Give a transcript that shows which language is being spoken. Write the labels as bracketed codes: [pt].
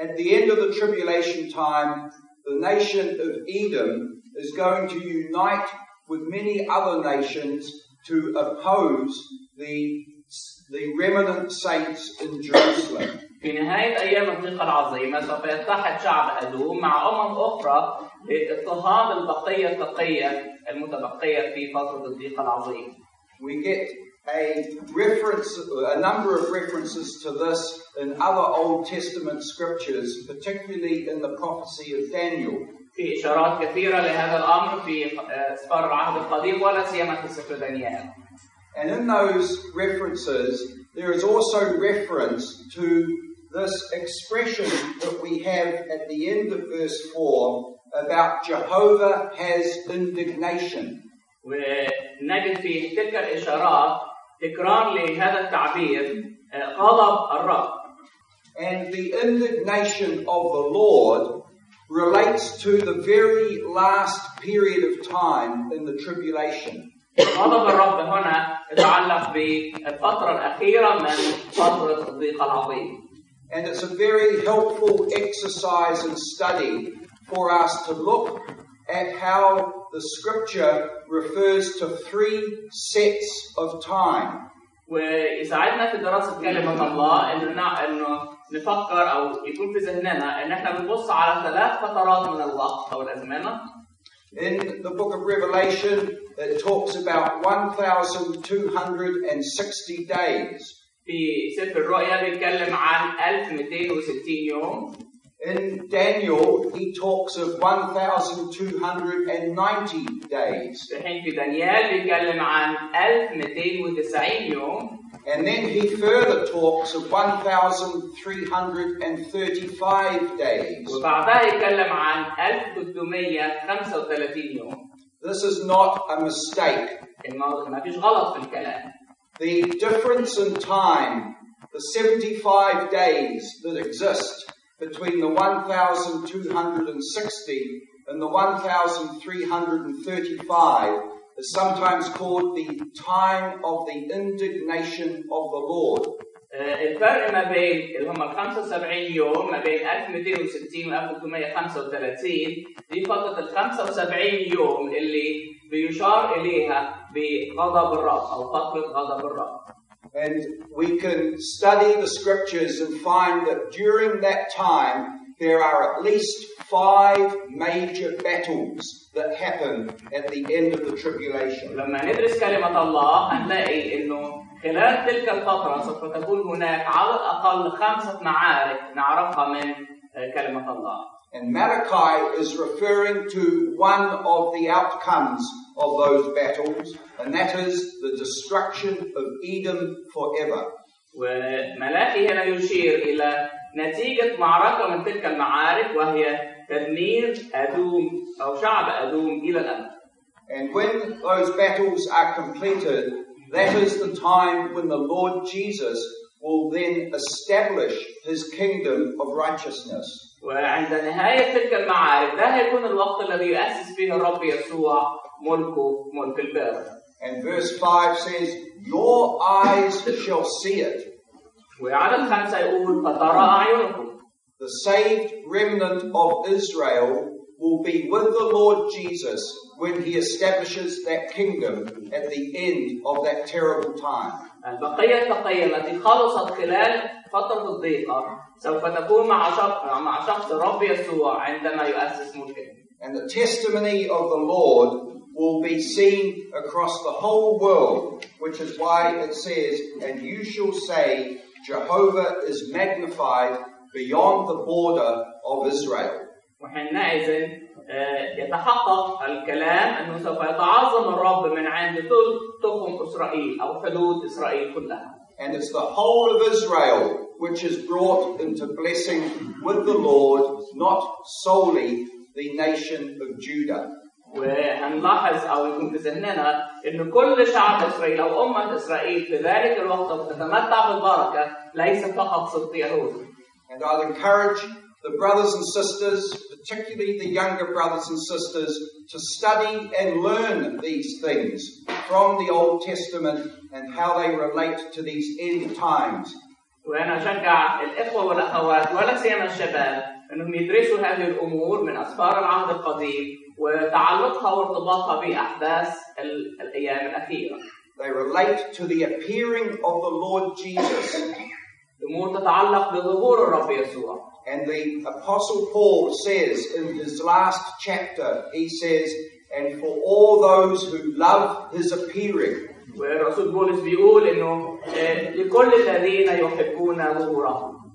[en] At the end of the tribulation time, the nation of Edom is going to unite with many other nations to oppose the remnant saints in Jerusalem. [ar] في نهاية أيام الضيقة العظيمة سوف يتحد شعب أدوم مع أمم أخرى لاضطهاد البقية التقية المتبقية في فترة الضيقة العظيمة. [en] We get a reference, a number of references to this in other Old Testament scriptures, particularly in the prophecy of Daniel. [ar] في إشارات كثيرة لهذا الأمر في سفر العهد القديم ولا سيما في سفر دانيال. [en] And in those references, there is also reference to this expression that we have at the end of verse 4 about Jehovah has indignation. [ar] ونجد في تلك الإشارات تكرار لهذا التعبير غضب الرب. [en] And the indignation of the Lord relates to the very last period of time in the tribulation. [ar] غضب الرب هنا يتعلق بالفترة الأخيرة من فترة الضيقة العظيم. [en] And it's a very helpful exercise and study for us to look at how the scripture refers to three sets of time. [ar] ويساعدنا في دراسة كلمة الله إنه نفكر أو يكون في ذهننا إن إحنا بنبص على ثلاث فترات من الوقت أو الأزمنة. [en] In the book of Revelation, it talks about 1,260 days. [ar] في سفر الرؤيا بيتكلم عن 1260 يوم. [en] In Daniel, he talks of 1,290 days. [ar] الحين في دانيال بيتكلم عن 1,290 يوم. [en] And then he further talks of 1,335 days. [ar] وبعدها يتكلم عن 1,335 يوم. [en] This is not a mistake. [ar] ما فيش غلط في الكلام. [en] The difference in time, the 75 days that exist between the 1,260 and the 1,335 is sometimes called the time of the indignation of the Lord. [ar] الفرق ما بين اللي هم 75 يوم ما بين 1260 و 1335 دي فترة 75 يوم اللي بيشار إليها بغضب الرب أو فترة غضب الرب. [en] And we can study the scriptures and find that during that time there are at least five major battles that happen at the end of the tribulation. [ar] لما ندرس كلمة الله هنلاقي إنه خلال تلك الفترة سوف تكون هناك على الأقل خمسة معارك نعرفها من كلمة الله. [en] And Malachi is referring to one of the outcomes of those battles, and that is the destruction of Edom forever. [ar] وملاكي هنا يشير إلى نتيجة معركة من تلك المعارك وهي تدمير أدوم أو شعب أدوم إلى الأبد. [en] And when those battles are completed, that is the time when the Lord Jesus will then establish his kingdom of righteousness. [ar] وعند نهاية تلك المعارك ده هيكون الوقت الذي يؤسس فيه الرب يسوع ملك البر. [en] And verse 5 says, your eyes shall see it. [ar] وعدد 5 يقول فترى أعينكم. [en] The saved remnant of Israel will be with the Lord Jesus when he establishes that kingdom at the end of that terrible time. [ar] البقية التقية التي خلصت خلال فترة الضيقة سوف تكون مع شخص الرب يسوع عندما يؤسس ملكه. [en] And the testimony of the Lord will be seen across the whole world, which is why it says, and you shall say, Jehovah is magnified beyond the border of Israel. [ar] وحينئذ يتحقق الكلام أنه سوف يتعظم الرب من عند تخم إسرائيل أو حدود إسرائيل كلها. [en] And it's the whole of Israel which is brought into blessing with the Lord, not solely the nation of Judah. [ar] وهنلاحظ أو يكون في ذهننا أن كل شعب إسرائيل أو أمة إسرائيل في ذلك الوقت تتمتع بالبركة ليس فقط سلط يهود. [en] And I'll encourage the brothers and sisters, particularly the younger brothers and sisters, to study and learn these things from the Old Testament and how they relate to these end times. [ar] وانا اشجع الاخوه والاخوات ولا سيما الشباب انهم يدرسوا هذه الامور من اسفار العهد القديم وتعلقها وارتباطها باحداث الايام الاخيره. [en] They relate to the appearing of the Lord Jesus. [ar] الامور تتعلق بظهور الرب يسوع. [en] And the apostle Paul says in his last chapter, he says, and for all those who love his appearing. [ar] ورسول بولس بيقول انه لكل الذين يحبون ظهوره.